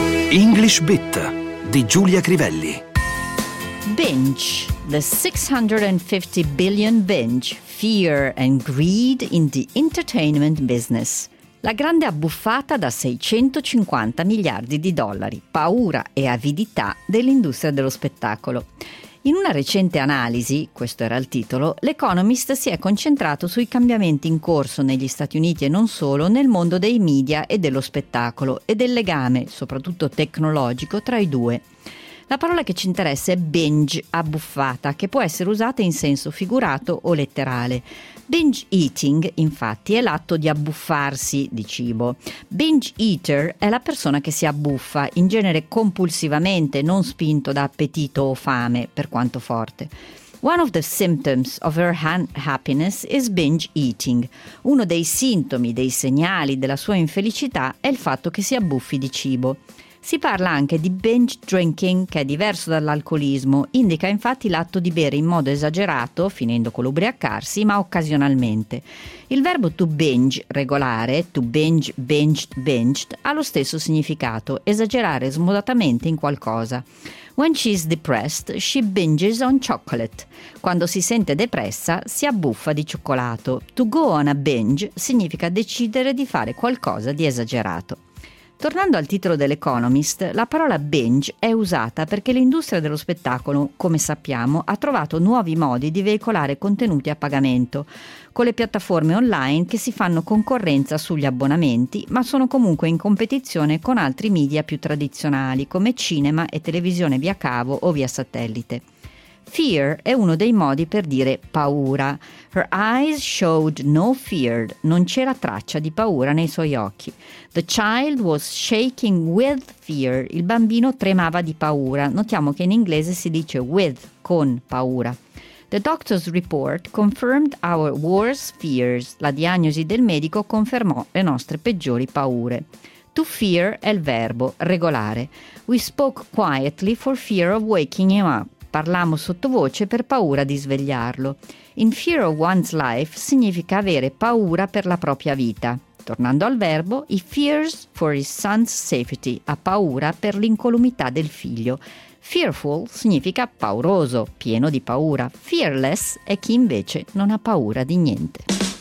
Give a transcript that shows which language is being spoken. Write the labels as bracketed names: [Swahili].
[Italian] English Bit di Giulia Crivelli. [English] Binge, the 650 billion binge, fear and greed in the entertainment business. [Italian] La grande abbuffata da 650 miliardi di dollari, paura e avidità dell'industria dello spettacolo. In una recente analisi, questo era il titolo, l'Economist si è concentrato sui cambiamenti in corso negli Stati Uniti e non solo nel mondo dei media e dello spettacolo e del legame, soprattutto tecnologico, tra i due. La parola che ci interessa è binge, abbuffata, che può essere usata in senso figurato o letterale. Binge eating, infatti, è l'atto di abbuffarsi di cibo. Binge eater è la persona che si abbuffa, in genere compulsivamente, non spinto da appetito o fame, per quanto forte. [English] One of the symptoms of her unhappiness is binge eating. [Italian] Uno dei sintomi, dei segnali della sua infelicità è il fatto che si abbuffi di cibo. Si parla anche di binge drinking, che è diverso dall'alcolismo, indica infatti l'atto di bere in modo esagerato, finendo con l'ubriacarsi, ma occasionalmente. Il verbo to binge, regolare, to binge, binged, binged, ha lo stesso significato, esagerare smodatamente in qualcosa. [English] When she is depressed, she binges on chocolate. [Italian] Quando si sente depressa, si abbuffa di cioccolato. [English] To go on a binge [Italian] significa decidere di fare qualcosa di esagerato. Tornando al titolo dell'Economist, la parola binge è usata perché l'industria dello spettacolo, come sappiamo, ha trovato nuovi modi di veicolare contenuti a pagamento, con le piattaforme online che si fanno concorrenza sugli abbonamenti, ma sono comunque in competizione con altri media più tradizionali, come cinema e televisione via cavo o via satellite. Fear è uno dei modi per dire paura. [English] Her eyes showed no fear. [Italian] Non c'era traccia di paura nei suoi occhi. [English] The child was shaking with fear. [Italian] Il bambino tremava di paura. Notiamo che in inglese si dice with, con paura. [English] The doctor's report confirmed our worst fears. [Italian] La diagnosi del medico confermò le nostre peggiori paure. To fear è il verbo, regolare. [English] We spoke quietly for fear of waking him up. [Italian] Parlammo sottovoce per paura di svegliarlo. [English] In fear of one's life [Italian] significa avere paura per la propria vita. Tornando al verbo, [English] he fears for his son's safety, [Italian] ha paura per l'incolumità del figlio. Fearful significa pauroso, pieno di paura. Fearless è chi invece non ha paura di niente.